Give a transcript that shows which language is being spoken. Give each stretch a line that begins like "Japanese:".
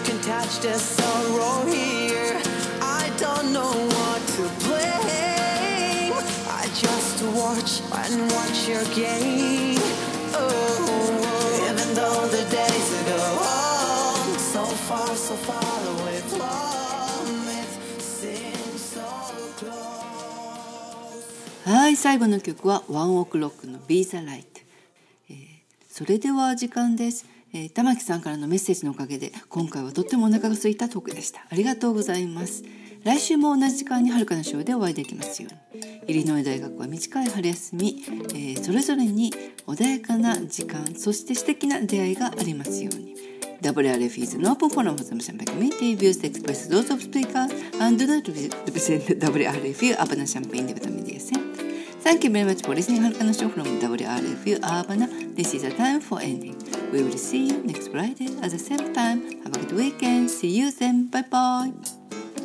English: can touch the sorrow here. I don't know what to blame. I just watch and watch your game. Oh, even though the days go on, so far, so far away from it seems so close.
Japanese: はい、最後の曲はワンオクロックの Be the Light。それでは時間です。玉木さんからのメッセージのおかげで今回はとってもお腹が空いたトークでした。ありがとうございます。来週も同じ時間に遥かな章でお会いできますように。イリノイ大学は短い春休み、それぞれに穏やかな時間、そして素敵な出会いがありますように。
English: WRF is an open forum for some community views expressed those of speakers and do not represent WRF Abana Champagne Development Media Center. Thank you very much for listening 遥かな章 from WRF Abana. This is a time for ending. We will see you next Friday at the same time. Have a good weekend. See you then. Bye-bye.